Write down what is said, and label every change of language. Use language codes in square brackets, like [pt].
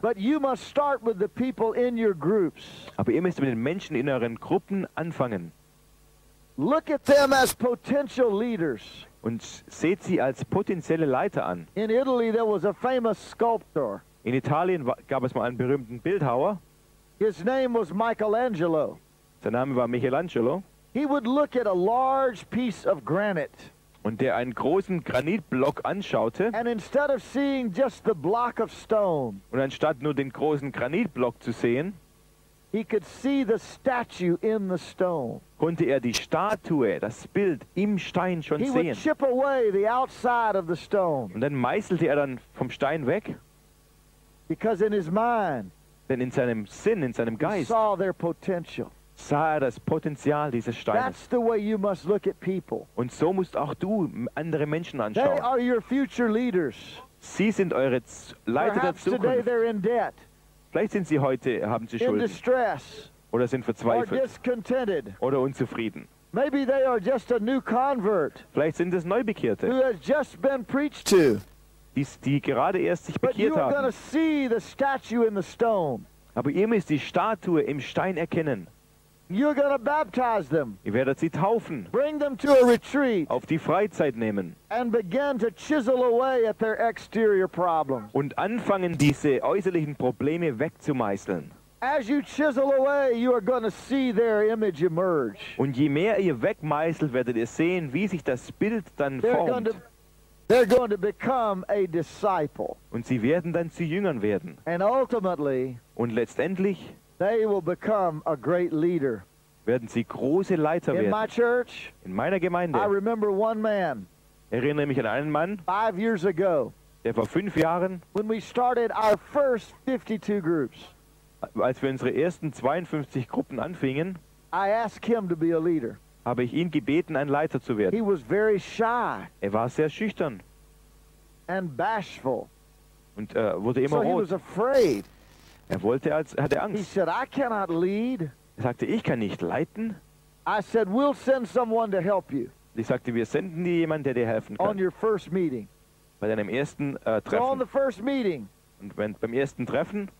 [en] But you must start with the people in your groups. [de] Aber ihr müsst mit den Menschen in euren Gruppen anfangen. [en] Look at them as potential leaders. [de] Und seht sie als potenzielle Leiter an. [en] In Italy there was a famous sculptor. [de] In Italien gab es mal einen berühmten Bildhauer. [en] His name was Michelangelo. [de] Sein Name war Michelangelo. [en] He would look at a large piece of granite. [de] Und der einen großen Granitblock anschaute. [en] And instead of seeing just the block of stone. [de] Und anstatt nur den großen Granitblock zu sehen, [en] he could see the statue in the stone. [de] Konnte er die Statue, das Bild im Stein schon sehen. [en] He would chip away the outside of the stone. [de] Und dann meißelte er dann vom Stein weg. [en] Because in his mind, [de] denn in seinem Sinn, in seinem Geist, [en] he saw their potential. [de] Sah er das Potenzial dieses Steines. [en] That's the way you must look at people. [de] Und so musst auch du andere Menschen anschauen. [en] They are your future leaders. [de] Sie sind eure Leiter [en] perhaps [de] der Zukunft. [en] Today they're in debt. [de] Vielleicht sind sie heute, haben sie Schulden. [en] In distress. [de] Oder sind verzweifelt. [en] Or discontented. [de] Oder unzufrieden. [en] Maybe they are just a new convert. [de] Vielleicht sind es Neubekehrte. [en] Who has just been preached to. [de] Die gerade erst sich bekehrt haben. But [en] you are going to see the statue in the stone. [de] Aber ihr müsst die Statue im Stein erkennen. [en] You're going to baptize them. [de] Ihr werdet sie taufen. [en] Bring them to a retreat. [de] Auf die Freizeit nehmen. [en] And begin to chisel away at their exterior problems. [de] Und anfangen, diese äußerlichen Probleme wegzumeißeln. [en] As you chisel away, you are going to see their image emerge. [de] Und je mehr ihr wegmeißelt, werdet ihr sehen, wie sich das Bild dann formt. [en] They're going to become a disciple. [de] Und sie werden dann zu Jüngern werden. [en] And ultimately, [de] und letztendlich, [en] they will become a great leader. [de] Werden sie große Leiter werden. [en] In my church, [de] in meiner Gemeinde, [en] I remember one man. [de] Erinnere mich an einen Mann. [en] 5 years ago, [de] der vor 5 Jahren, [en] when we started our first 52 groups, [de] als wir unsere ersten 52 Gruppen anfingen, [en] I asked him to be a leader. [de] Habe ich ihn gebeten, ein Leiter zu werden. [en] He was very shy. [de] Er war sehr schüchtern. [en] And bashful. [de] Und wurde immer rot. [en] He was afraid. [de] Er wollte als hatte Angst. [en] He said, I cannot lead. [de] Er sagte, ich kann nicht leiten. [en] I said, we'll send someone to help you. [de] Ich sagte, wir senden dir jemanden, der dir helfen kann. [en] On your first meeting. [de] Bei deinem ersten Treffen. [en] So on the first meeting. [de] Und beim ersten Treffen.